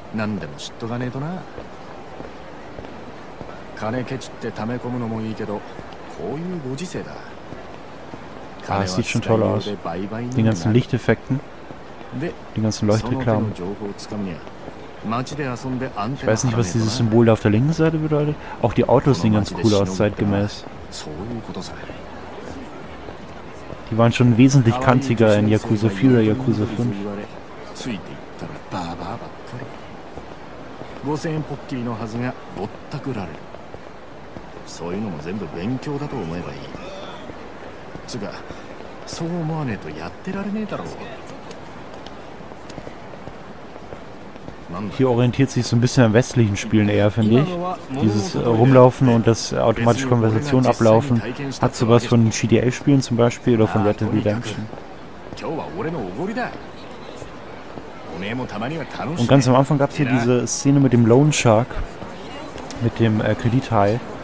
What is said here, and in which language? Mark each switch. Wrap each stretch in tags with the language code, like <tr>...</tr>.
<ja>なんでも知っとかねえとな。金ケチって溜め込むのもいいけど、こういうご時世だ。金は使い方で売買になる。で、その手の情報をつかむには街で遊んでアンテナ貼らないとな。</ja> <de>Ich weiß nicht, was dieses Symbol da auf der linken Seite bedeutet. Auch die Autos sehen ganz cool aus, zeitgemäß.</de> <ja>そういうことさ。</ja> <de>Die waren schon wesentlich kantiger in Yakuza 4 oder Yakuza 5.</de> <ja>ついていったらバーバーばっかり。 5000円ポッキリのはずがぼったくられる。そういうのも全部勉強だと思えばいい。つか、そう思わねえとやってられねえだろう。</ja> <de>Hier orientiert sich so ein bisschen an westlichen Spielen eher, finde ich. Dieses Rumlaufen und das automatische Konversation ablaufen hat sowas von GDL-Spielen zum Beispiel oder von Red Dead Redemption.</de> <ja>今日は俺のおごりだ。</ja> <de>Und ganz am Anfang gab es hier diese Szene mit dem Loan Shark, mit dem Kredithai.</de>